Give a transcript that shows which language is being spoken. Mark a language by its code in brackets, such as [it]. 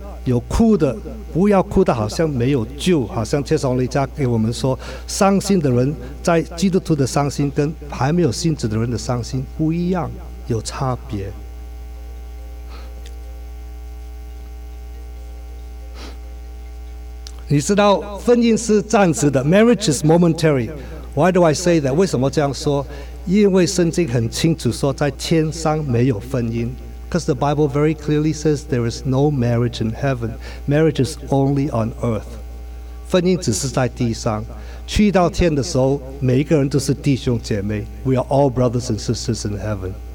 [zh] 有哭的，不要哭的，好像没有救，好像切松利家给我们说，伤心的人在基督徒的伤心跟还没有信主的人的伤心不一样，有差别。你知道，婚姻是暂时的 [en] ，marriage is momentary. Why do I say that? [zh] 为什么这样说？因为圣经很清楚说，在天上没有婚姻。 [en] Because the Bible very clearly says there is no marriage in heaven. Marriage is only on earth. [zh] 婚姻只是在地上。去到天的时候，每一个人都是弟兄姐妹。 [en] We are all brothers and sisters in heaven.